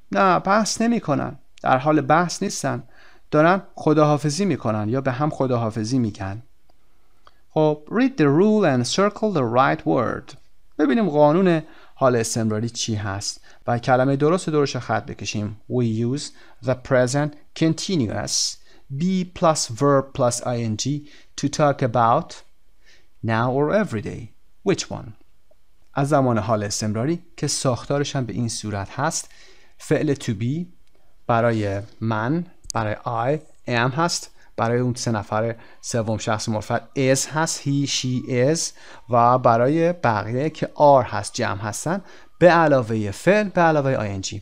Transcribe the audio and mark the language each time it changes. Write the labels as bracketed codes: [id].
[fa] نه، بحث نمی کنن. در حال بحث نیستن. دارن خداحافظی می کنن یا به هم خداحافظی می کن. [en] خب، read the rule and circle the right word. [fa] ببینیم قانون حال استمراری چی هست. و کلمه درست درست خط بکشیم. [en] We use the present continuous be plus verb plus ing to talk about now or everyday. Which one? [fa] از زمان حال استمراری که ساختارش هم به این صورت هست، فعل to be برای من، برای I am هست، برای اون سه نفر سوم شخص مرفوع is هست، [en] he she is، [fa] و برای بقیه که are هست، جمع هستن، به علاوه فعل، به علاوه ing.